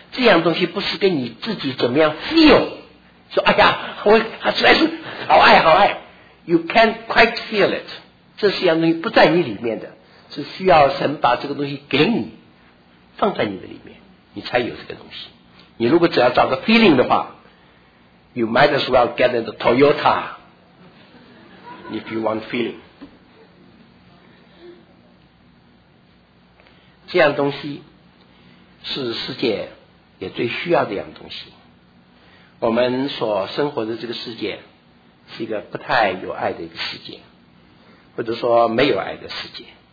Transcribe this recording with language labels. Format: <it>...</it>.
<zh>这样东西不是跟你自己怎么样 feel 说哎呀我实在是好爱好爱，</zh> <en>you can't quite feel it，</en> <zh>这是一样东西不在你里面的，是需要神把这个东西给你放在你的里面，你才有这个东西。你如果只要找个</zh> <en>feeling</en> <zh>的话，</zh> <en>you might as well get into Toyota if you want feeling。</en> <zh>这样东西是世界也最需要的一样东西。我们所生活的这个世界是一个不太有爱的一个世界，或者说没有爱的世界。</zh>